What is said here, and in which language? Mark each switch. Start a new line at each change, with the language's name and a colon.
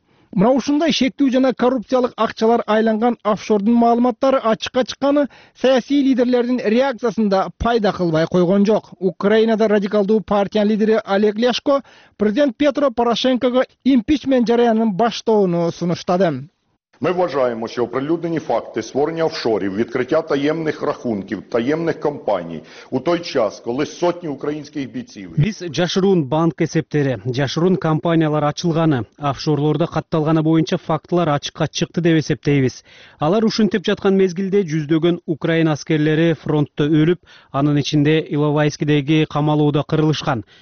Kyrgyz: Мына ушундай шектүү жана коррупциялык акчалар айланган офшордун маалыматтары ачыкка чыкканы саясий лидерлердин реакциясында пайда кылбай койгон жок. Украинада радикалдуу партиянын лидери Олег Ляшко президент Петро Порошенкого импичмент жараянын баштоону сунуштады.
Ukrainian: Мы вважаем, что оприлюднені факти створення офшорів, відкриття таємних рахунків, таємних компаній у той час, коли сотні українських бійців.
Kyrgyz: Біз жашырун банк есептери, жашырун компаниялар ачылганы, офшорлордо катталганы боюнча фактылар ачыкка чыкты деп эсептейбиз. Алар ушинтеп жаткан мезгилде жүздөгөн украин аскерлери фронтто өлүп, анын ичинде Иловайскидеги камалууда кырылышкан.